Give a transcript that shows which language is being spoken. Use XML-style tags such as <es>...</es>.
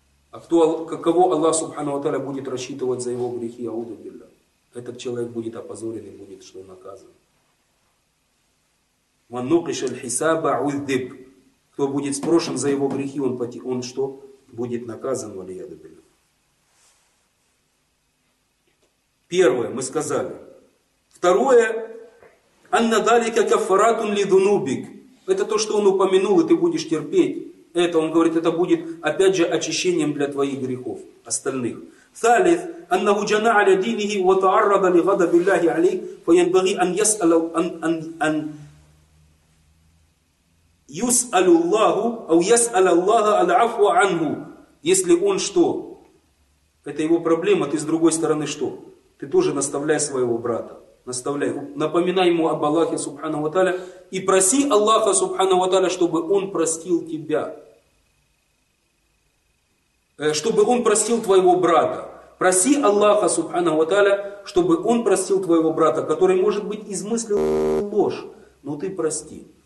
<ru>А каково Аллах Субхану ва Тааля будет рассчитывать за его грехи? Ауду билля. Этот человек будет опозорен и будет что наказан.</ru> <ar>وَنُقِشَ الْحِسَابَ عُذِّبْ.</ar> <ru>Кто будет спрошен за его грехи, он что? Будет наказан, валияду билля. Первое, мы сказали. Второе,</ru> <ar>أَنَّ دَلِكَ كَفَّرَاتٌ لِذُنُوبِكْ.</ar> <ru>Это то, что он упомянул, и ты будешь терпеть. Это, он говорит, это будет, опять же, очищением для твоих грехов остальных.</ru> <ar>ثالث أنه جنى على دينه وتعرض لغضب الله عليه فينبغي أن يسأل أن يسأل الله أو يسأل الله العفو عنه.</ar> <ru>Если он что? Это его проблема, ты с другой стороны что? Ты тоже наставляй своего брата. Наставляй, напоминай ему об Аллахе Субхану ва Тааля и проси Аллаха Субхану ва Тааля, чтобы он простил тебя. Чтобы он простил твоего брата. Проси Аллаха Субхану ва Тааля, чтобы он простил твоего брата, который, может быть, измыслил ложь, но ты прости.</ru>